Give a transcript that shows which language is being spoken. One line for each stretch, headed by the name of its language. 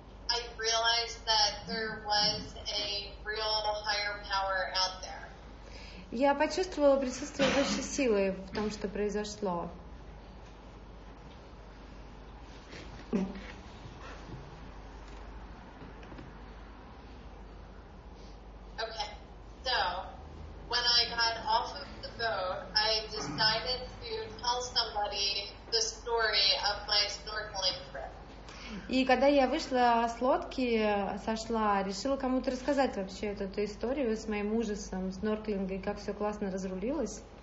English: I realized that there was a real higher power out there.
Russian: Я почувствовала присутствие высшей силы в том, что произошло.
English: Okay. So, when I got off of the boat, I decided to tell somebody the story of my snorkeling trip.
Russian: И когда я вышла с лодки, сошла, решила кому-то рассказать вообще эту историю с моим ужасом, снорклинга и как все классно разрулилось.